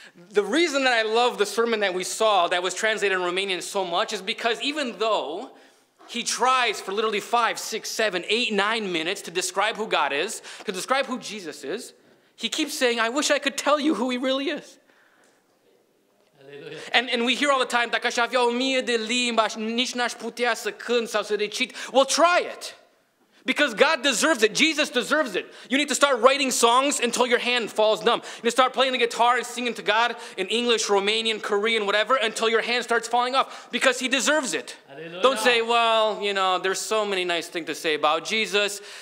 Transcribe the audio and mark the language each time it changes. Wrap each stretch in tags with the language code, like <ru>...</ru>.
<en>The reason that I love the sermon that we saw that was translated in Romanian so much is because even though He tries for literally 5, 6, 7, 8, 9 minutes to describe who God is, to describe who Jesus is. He keeps saying, I wish I could tell you who he really is. And we hear all the time,</en> <ro>dacă aș avea 1,000 de limbi, nici n-aș putea să cânt sau să recit.</ro> <en>Well, try it. Because God deserves it. Jesus deserves it. You need to start writing songs until your hand falls numb. You need to start playing the guitar and singing to God in English, Romanian, Korean, whatever, until your hand starts falling off. Because he deserves it. Hallelujah. Don't say, well, you know, there's so many nice things to say about Jesus.</en>